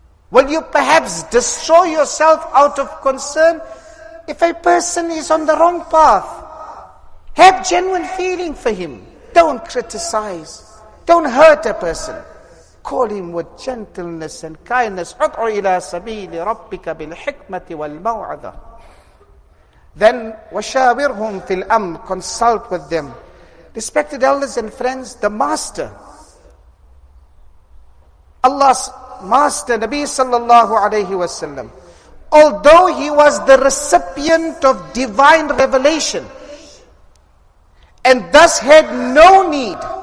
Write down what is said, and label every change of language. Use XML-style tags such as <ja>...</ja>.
<en>Will you perhaps destroy yourself out of concern if a person is on the wrong path? Have genuine feeling for him. Don't criticize. Don't hurt a person. Call him with gentleness and kindness.</en> <ar>اُدْعُ إِلَىٰ سَبِيلِ رَبِّكَ بِالْحِكْمَةِ وَالْمَوْعَذَةِ.</ar> <en>Then,</en> <ar>وَشَاوِرْهُمْ فِي الْأَمْرِ.</ar> <en>Consult with them. Respected elders and friends, the master, Allah's master, Nabi sallallahu alayhi wa sallam, although he was the recipient of divine revelation, and thus had no need</en>